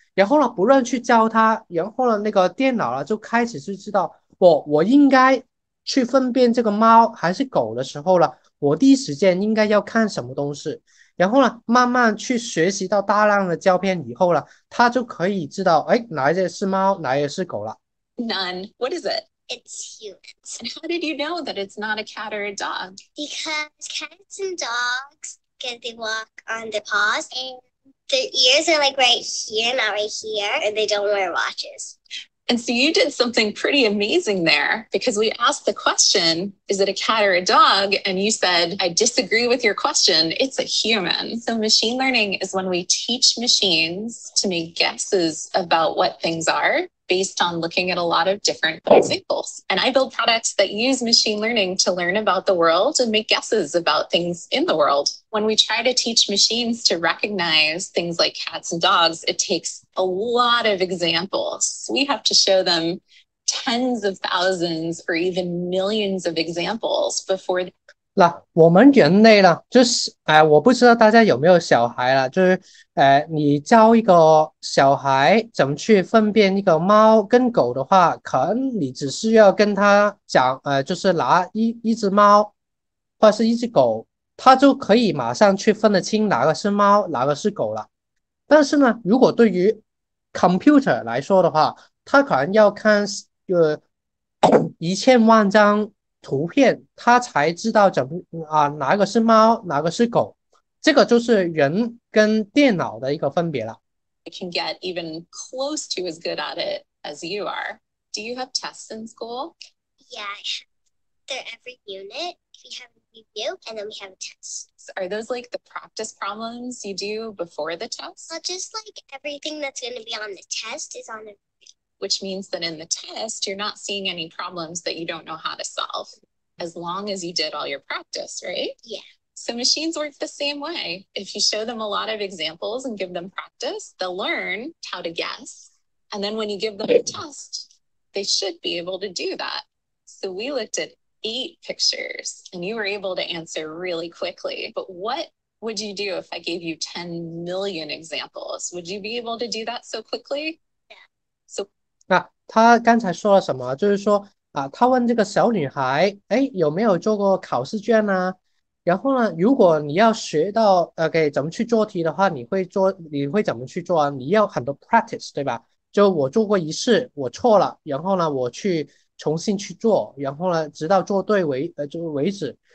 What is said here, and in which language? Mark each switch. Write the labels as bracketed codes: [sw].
[zh] 然后呢，不论去教它，然后呢，那个电脑呢就开始就知道我应该去分辨这个猫还是狗的时候了，我第一时间应该要看什么东西。然后呢，慢慢去学习到大量的胶片以后呢，它就可以知道，哎，哪一些是猫，哪一些是狗了。 [en] None. What is it? It's humans. And how did you know that it's not a cat or a dog? Because cats and dogs, because they walk on their paws, and their ears are like right here, not right here, and they don't wear watches. And so you did something pretty amazing there, because we asked the question, is it a cat or a dog? And you said, I disagree with your question. It's a human. So machine learning is when we teach machines to make guesses about what things are. Based on looking at a lot of different examples. And I build products that use machine learning to learn about the world and make guesses about things in the world. When we try to teach machines to recognize things like cats and dogs, it takes a lot of examples. We have to show them tens of thousands or even millions of examples before. [zh] 那我们人类呢？就是我不知道大家有没有小孩了。就是你教一个小孩怎么去分辨一个猫跟狗的话，可能你只需要跟他讲，就是拿一只猫或者是一只狗，他就可以马上去分得清哪个是猫，哪个是狗了。但是呢，如果对于 computer 来说的话，他可能要看一千万张图片，他才知道怎么哪个是猫，哪个是狗，这个就是人跟电脑的一个分别了。 [en] Can get even close to as good at it as you are. Do you have tests in school? Yeah, they're every unit. We have a review and then we have a test. Are those like the practice problems you do before the Well, test? just like everything that's going to be on the test is on the Which means that in the test, you're not seeing any problems that you don't know how to solve, as long as you did all your practice, right? Yeah. So machines work the same way. If you show them a lot of examples and give them practice, they'll learn how to guess. And then when you give them a test, they should be able to do that. So we looked at 8 pictures and you were able to answer really quickly. But what would you do if I gave you 10 million examples? Would you be able to do that so quickly? [zh] 他刚才说了什么？就是说他问这个小女孩，哎，有没有做过考试卷呢？然后呢，如果你要学到怎么去做题的话，你会怎么去做啊？你要很多 practice，对吧？就我做过一次，我错了，然后呢，我去重新去做，然后呢，直到做对为止。